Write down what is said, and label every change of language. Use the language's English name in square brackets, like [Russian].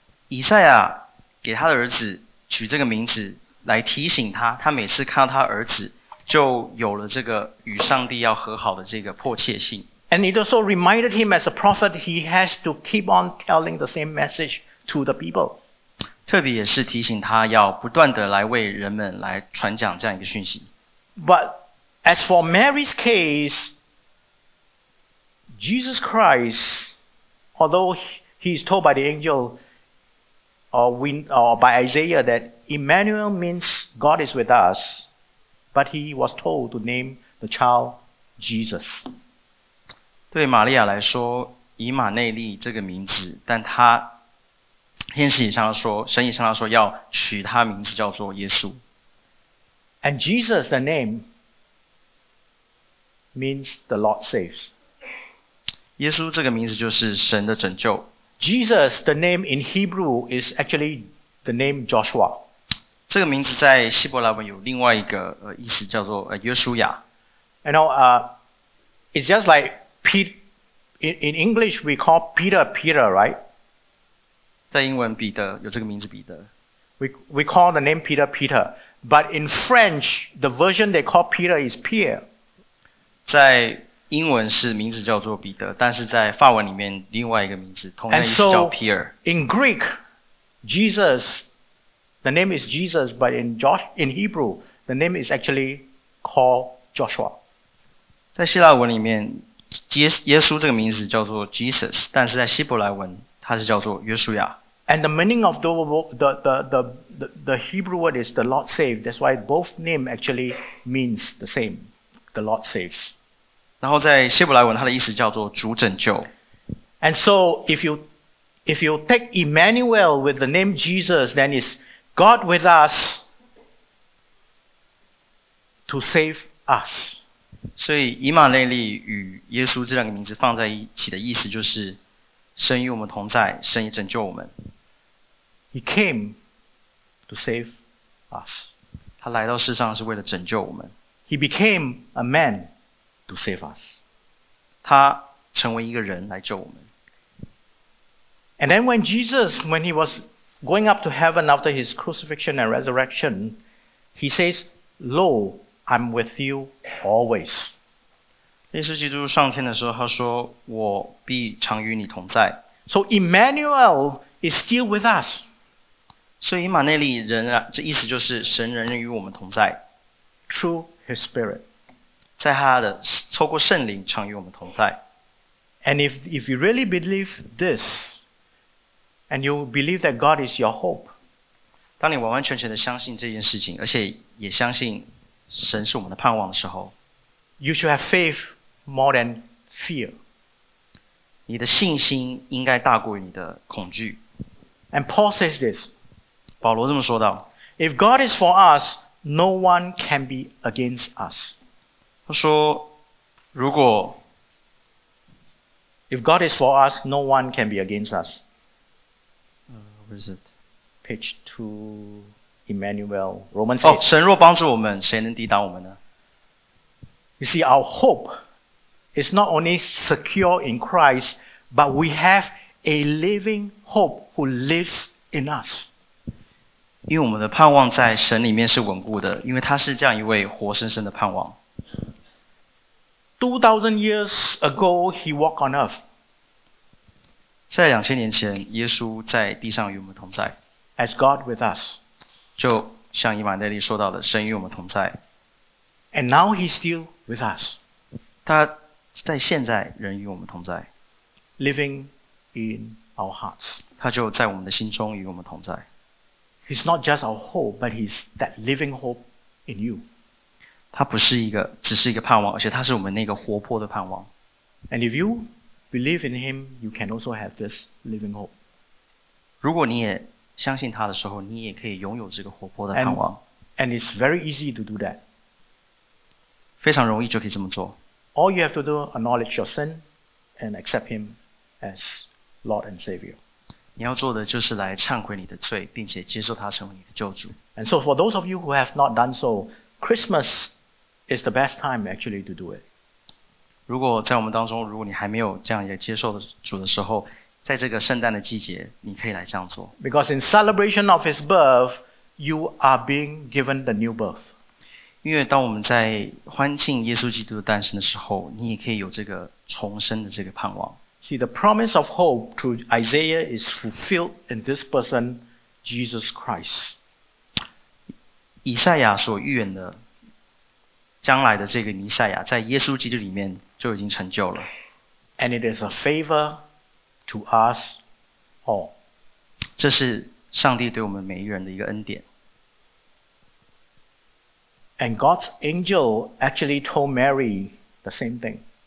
[Chinese] 以赛亚给他的儿子取这个名字来提醒他，他每次看到他儿子就有了这个与上帝要和好的这个迫切性。 [English] And it also reminded him as a prophet, he has to keep on telling the same message to the people. [Chinese] 特别也是提醒他要不断的来为人们来传讲这样一个讯息。 [English] But as for Mary's case, Jesus Christ, although he is told by the angel or by Isaiah that Emmanuel means God is with us, but he was told to name the child Jesus. [Chinese] 对玛利亚来说，以马内利这个名字，但他。天使也向他说，神也向他说，要取他名字叫做耶稣。 [English] And Jesus, the name, means the Lord saves. [Chinese] 耶稣这个名字就是神的拯救。 [English] Jesus, the name in Hebrew, is actually the name Joshua. [Chinese] 这个名字在希伯来文有另外一个意思，叫做约书亚。 [English] You know, it's just like Peter. In English, we call Peter, right? [Chinese] 在英文彼得有这个名字彼得。 [English] We call the name Peter, but in French, the version they call Peter is Pierre. [Chinese] 在英文是名字叫做彼得，但是在法文里面另外一个名字同样也是叫 Pierre. [English] And so, in Greek, Jesus, the name is Jesus, but in Hebrew, the name is actually called Joshua. [Chinese] 在希腊文里面，耶稣这个名字叫做 Jesus, 但是在希伯来文它是叫做约书亚。 [English] And the meaning of the Hebrew word is the Lord saves. That's why both name actually means the same. The Lord saves. [Chinese] 然后在希伯来文它的意思叫做主拯救。 [English] And so if you take Emmanuel with the name Jesus, then it's God with us to save us. [Chinese] 所以以马内利与耶稣这两个名字放在一起的意思就是神与我们同在，神也拯救我们。 [English] He came to save us. [Chinese] 他来到世上是为了拯救我们。 [English] He became a man to save us. [Chinese] 他成为一个人来救我们。 [English] And then when he was going up to heaven after his crucifixion and resurrection, he says, Lo, I'm with you always. [Chinese] 耶稣基督上天的时候，他说：“我必常与你同在。” [English] So Emmanuel is still with us. [Chinese] 所以以马内利仍然，这意思就是神仍然与我们同在。 [English] Through His Spirit, [Chinese] 在他的透过圣灵常与我们同在。 [English] And if you really believe this, and you believe that God is your hope, [Chinese] 当你完完全全的相信这件事情，而且也相信神是我们的盼望的时候。 [English] You should have faith more than fear. [Chinese] 你的信心应该大过于你的恐惧。 [English] And Paul says this. [Chinese] 保罗这么说道。 [English] If God is for us, no one can be against us. [Chinese] 他说，如果 [English] If God is for us, no one can be against us. Where is it? Page 2, Emmanuel, Roman 8. [Chinese] 哦，神若帮助我们，谁能抵挡我们呢？ [English] You see, our hope is not only secure in Christ, but we have a living hope who lives in us. [Chinese] 因为我们的盼望在神里面是稳固的，因为他是这样一位活生生的盼望。 [English] 2,000 years ago, he walked on earth. [Chinese] 在2000年前，耶稣在地上与我们同在。 [English] As God with us. [Chinese] 就像以马内利说到的，神与我们同在。 [English] And now he still with us. [Chinese] 他在现在仍与我们同在。 [English] Living in our hearts. [Chinese] 他就在我们的心中与我们同在。 [English] He's not just our hope, but he's that living hope in you. [Chinese] 他不是一个，只是一个盼望，而且他是我们那个活泼的盼望。 [English] And if you believe in him, you can also have this living hope. [Chinese] 如果你也相信他的时候，你也可以拥有这个活泼的盼望。 [English] And it's very easy to do that. [Chinese] 非常容易就可以这么做。 [English] All you have to do, acknowledge your sin and accept him as Lord and Savior. [Chinese] 你要做的就是来忏悔你的罪，并且接受他成为你的救主。 [English] And so for those of you who have not done so, Christmas is the best time actually to do it. [Chinese] 如果在我们当中，如果你还没有这样也接受主的时候，在这个圣诞的季节，你可以来这样做。 [English] Because in celebration of his birth, you are being given the new birth. [Chinese] 因为当我们在欢庆耶稣基督的诞生的时候，你也可以有这个重生的这个盼望。 [English] See, the promise of hope through Isaiah is fulfilled in this person, Jesus Christ. [Chinese] 以赛亚所预言的将来的这个弥赛亚在耶稣基督里面就已经成就了。 [English] And it is a favor to us all. [Chinese] 这是上帝对我们每一个人的一个恩典。 [English] And God's angel actually told Mary the same thing.